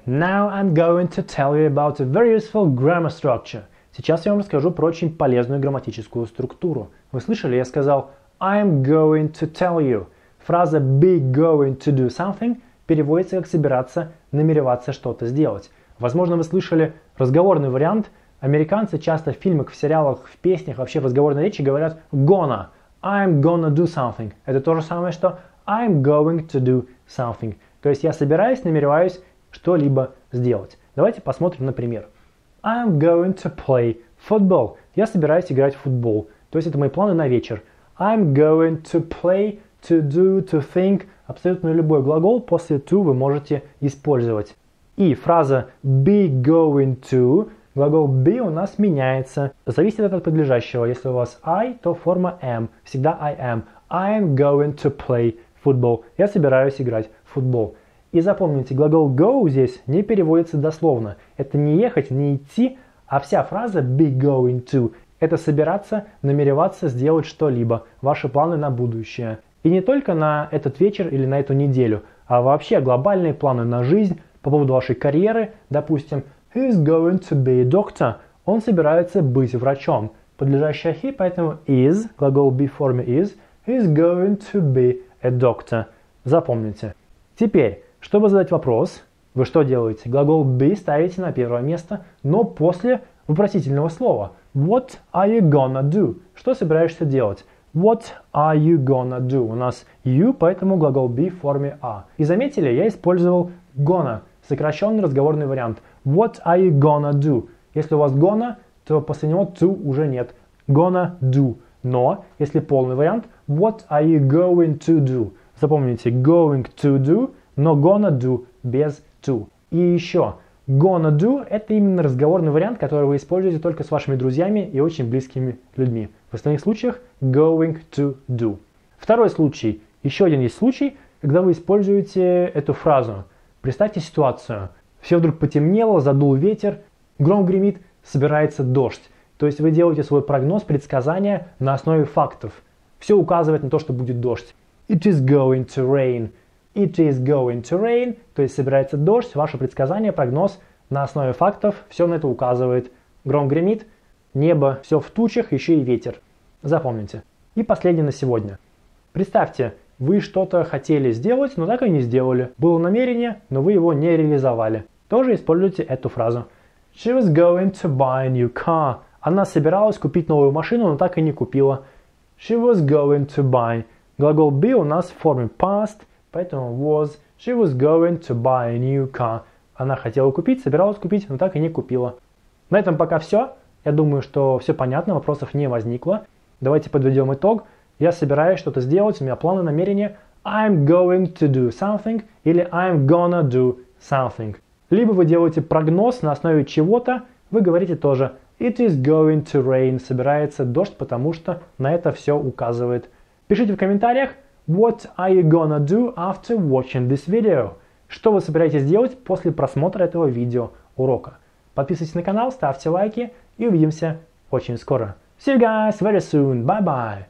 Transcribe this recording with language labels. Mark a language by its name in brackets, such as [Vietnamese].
[English] Now I'm going to tell you about a very useful grammar structure. [Russian] Сейчас я вам расскажу про очень полезную грамматическую структуру. Вы слышали, я сказал [English] I'm going to tell you. [Russian] Фраза be going to do something переводится как собираться, намереваться что-то сделать. Возможно, вы слышали разговорный вариант. Американцы часто в фильмах, в сериалах, в песнях, вообще в разговорной речи говорят gonna. [English] I'm gonna do something. [Russian] Это то же самое, что [English] I'm going to do something. [Russian] То есть я собираюсь, намереваюсь что-либо сделать. Давайте посмотрим, например. [English] I'm going to play football. [Russian] Я собираюсь играть в футбол. То есть это мои планы на вечер. [English] I'm going to play, to do, to think. [Russian] Абсолютно любой глагол после to вы можете использовать. И фраза be going to. Глагол be у нас меняется. Зависит от подлежащего. Если у вас I, то форма am. Всегда I am. [English] I'm going to play футбол. [Russian] Я собираюсь играть в футбол. И запомните, глагол go здесь не переводится дословно. Это не ехать, не идти, а вся фраза be going to – это собираться, намереваться сделать что-либо, ваши планы на будущее. И не только на этот вечер или на эту неделю, а вообще глобальные планы на жизнь, по поводу вашей карьеры. Допустим, [English] he's going to be a doctor. [Russian] Он собирается быть врачом. Подлежащее he, поэтому is, глагол be в форме is, [English] he's going to be a doctor. [Russian] Запомните. Теперь, чтобы задать вопрос, вы что делаете? Глагол be ставите на первое место, но после вопросительного слова. [English] What are you gonna do? [Russian] Что собираешься делать? [English] What are you gonna do? [Russian] У нас you, поэтому глагол be в форме are. И заметили, я использовал gonna, сокращенный разговорный вариант. [English] What are you gonna do? [Russian] Если у вас gonna, то после него to уже нет. [English] Gonna do. [Russian] Но, если полный вариант, [English] what are you going to do? [Russian] Запомните, going to do, но gonna do без to. И еще, gonna do – это именно разговорный вариант, который вы используете только с вашими друзьями и очень близкими людьми. В остальных случаях – going to do. Второй случай. Еще один есть случай, когда вы используете эту фразу. Представьте ситуацию. Все вдруг потемнело, задул ветер, гром гремит, собирается дождь. То есть вы делаете свой прогноз, предсказание на основе фактов. Все указывает на то, что будет дождь. [English] It is going to rain. It is going to rain. [Russian] То есть собирается дождь, ваше предсказание, прогноз на основе фактов. Все на это указывает. Гром гремит, небо, все в тучах, еще и ветер. Запомните. И последнее на сегодня. Представьте, вы что-то хотели сделать, но так и не сделали. Было намерение, но вы его не реализовали. Тоже используйте эту фразу. [English] She was going to buy a new car. [Russian] Она собиралась купить новую машину, но так и не купила. [English] She was going to buy. [Russian] Глагол be у нас в форме past, поэтому was. [English] She was going to buy a new car. [Russian] Она хотела купить, собиралась купить, но так и не купила. На этом пока все. Я думаю, что все понятно, вопросов не возникло. Давайте подведем итог. Я собираюсь что-то сделать, у меня планы, намерения. [English] I'm going to do something [Russian] или [English] I'm gonna do something. [Russian] Либо вы делаете прогноз на основе чего-то, вы говорите тоже. [English] It is going to rain. [Russian] Собирается дождь, потому что на это все указывает. Пишите в комментариях, [English] what are you gonna do after watching this video? [Russian] Что вы собираетесь делать после просмотра этого видео урока? Подписывайтесь на канал, ставьте лайки и увидимся очень скоро. [English] See you guys very soon. Bye-bye.